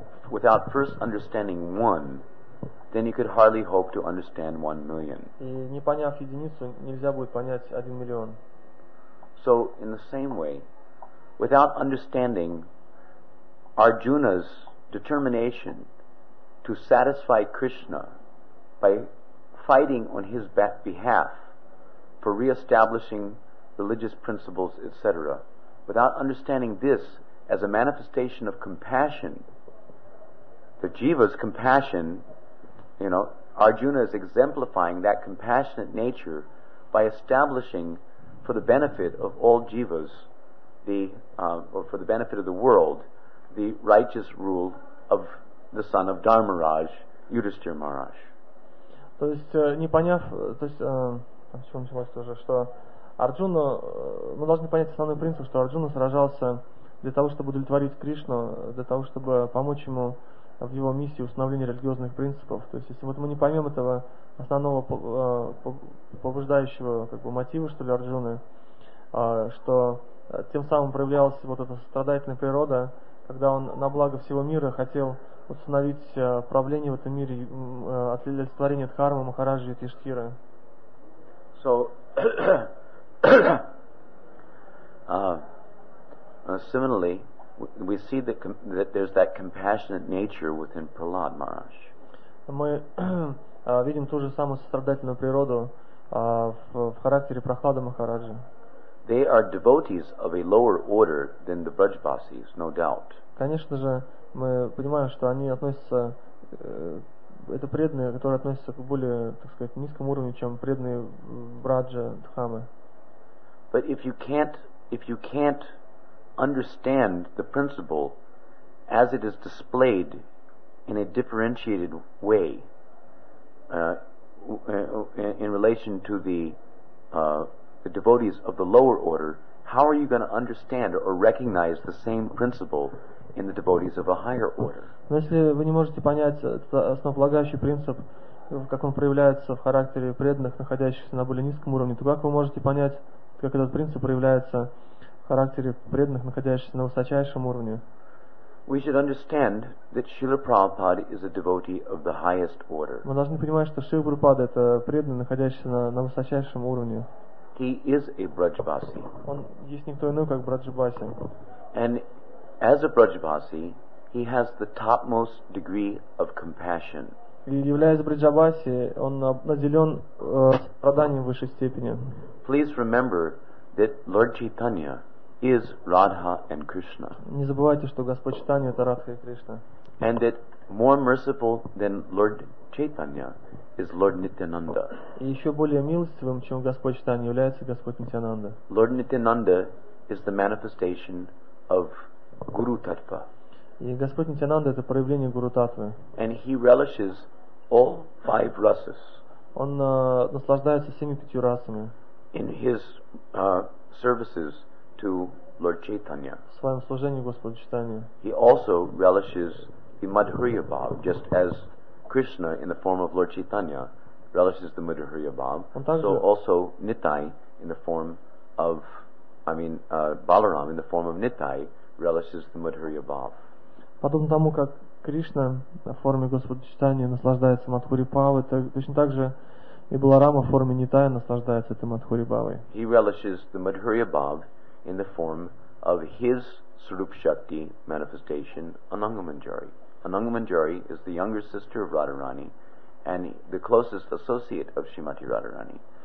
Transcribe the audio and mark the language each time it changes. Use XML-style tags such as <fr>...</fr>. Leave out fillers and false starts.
<en>Without first understanding one, then you could hardly hope to understand 1,000,000.</en> <ru>И не поняв единицу, нельзя будет понять 1,000,000.</ru> <en>So in the same way, without understanding Arjuna's determination to satisfy Krishna by fighting on his behalf for reestablishing religious principles, etc. Without understanding this as a manifestation of compassion, the jiva's compassion, you know, Arjuna is exemplifying that compassionate nature by establishing for the benefit of all jivas, for the benefit of the world, the righteous rule of the son of Dharmaraj, Yudhishthira Maharaj.</en> <ru>То есть, не поняв, то есть, с чего началось тоже, что Арджуна, мы должны понять основной принцип, что Арджуна сражался для того, чтобы удовлетворить Кришну, для того, чтобы помочь ему в его миссии установления религиозных принципов. То есть, если вот мы не поймем этого основного побуждающего как бы мотива, что ли, Арджуны, что тем самым проявлялась вот эта страдательная природа, когда он на благо всего мира хотел установить правление в этом мире, отлетворение Дхармы, Махараджи и Тиштхира.</ru> <en>So, similarly, we see that there's that compassionate nature within Prahlad Maharaj.</en> <ru>Мы видим ту же самую сострадательную природу в характере Прахлада Махараджи.</ru> <en>They are devotees of a lower order than the Brajbasis, no doubt.</en> <ru>Конечно же, мы понимаем, что они относятся, это преданные, которые относятся к более, так сказать, низкому уровню, чем преданные Браджа Дхамы.</ru> <en>But if you can't understand the principle as it is displayed in a differentiated way, in relation to the devotees of the lower order, how are you going to understand or recognize the same principle in the devotees of a higher order?</en> <ru>Но если вы не можете понять этот основополагающий принцип, как он проявляется в характере преданных, находящихся на более низком уровне, то как вы можете понять, как этот принцип проявляется в характере преданных, находящихся на высочайшем уровне?</ru> <en>We should understand that Srila Prabhupada is a devotee of the highest order.</en> <ru>Мы должны понимать, что Шрила Прабхупада — это преданный, находящийся на высочайшем уровне.</ru> <en>He is a Brajbasi.</en> <ru>Он есть никто иной, как Брадж-баси.</ru> <en>And as a Brajbasi, he has the topmost degree of compassion.</en> <ru>Являясь Брадж-баси, он наделен страданием высшей степени.</ru> <en>Please remember that Lord Chaitanya is Radha and Krishna.</en> <ru>Не забывайте, что Господь Чайтанья — это Радха и Кришна.</ru> <en>And that more merciful than Lord Chaitanya is Lord Nityananda.</en> <ru>И еще более милостивым, чем Господь Чайтанья, является Господь Нитянанда.</ru> <en>Lord Nityananda is the manifestation of Guru Tattva.</en> <ru>И Господь Нитянанда — это проявление Гуру Таттвы.</ru> <en>And he relishes all five rasas.</en> <ru>Он наслаждается всеми пятью расами.</ru> <en>In his services to Lord Chaitanya.</en> <ru>В своем служении Господу Чайтанья.</ru> <en>He also relishes the Madhurya Bhav, just as Krishna in the form of Lord Chaitanya relishes the Madhurya Bhav. So also Nittai in the form of, Balaram in the form of Nittai relishes the Madhurya Bhav.</en> <ru>Подобно тому, как Кришна в форме Господа Чайтанья наслаждается Мадхури Бхавой, точно так же и Баларама в форме Нитая наслаждается этой Мадхури Бхавой.</ru> <en>He relishes the Madhurya Bhav in the form of his Sarup Shakti manifestation, Anangamanjari. Anangamanjari is the younger sister of Radharani and the closest associate of Srimati Radharani.</en>